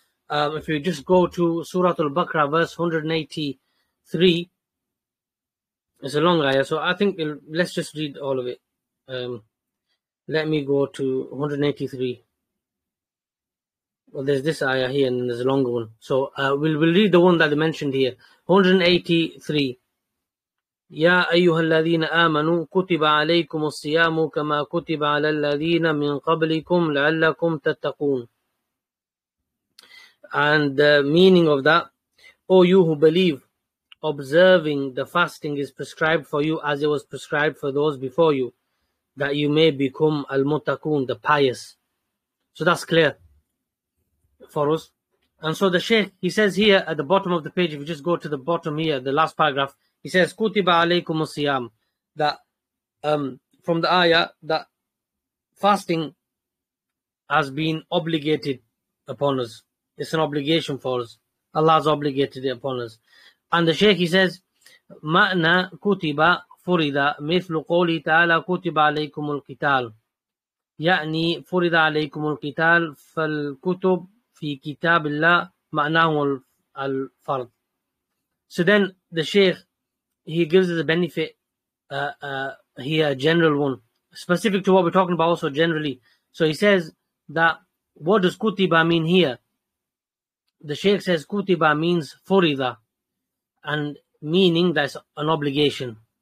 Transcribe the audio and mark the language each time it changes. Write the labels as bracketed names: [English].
[English] If you just go to Surah Al-Baqarah, verse 183, it's a long ayah. So I think let's just read all of it. Let me go to 183. Well, there's this ayah here, and there's a longer one. So we'll read the one that they mentioned here, 183. [Arabic] يا أيها الذين آمنوا كتب عليكم الصيام كما كتب على الذين من قبلكم لعلكم تتقون. [English] And the meaning of that, O you who believe, observing the fasting is prescribed for you as it was prescribed for those before you, that you may become al-mutakun, the pious. So that's clear for us. And so the Shaykh, he says here at the bottom of the page, if you just go to the bottom here, the last paragraph, He says, [Arabic] "Kutiba alaykum as-siyam," [English] that from the ayah that fasting has been obligated upon us. It's an obligation for us. Allah's obligated it upon us. And the Shaykh, he says, [Arabic] "Ma'na kutiba furida mithlu qawli ta'ala kutiba alaykum al-qital." يعني فرض عليكم القتال فالكتب في كتاب الله معناه الفرض. [English] So then the Shaykh, he gives us a benefit here, a general one, specific to what we're talking about also generally. So he says that what does kutiba mean here? The Shaykh says kutiba means furida, and meaning that's an obligation.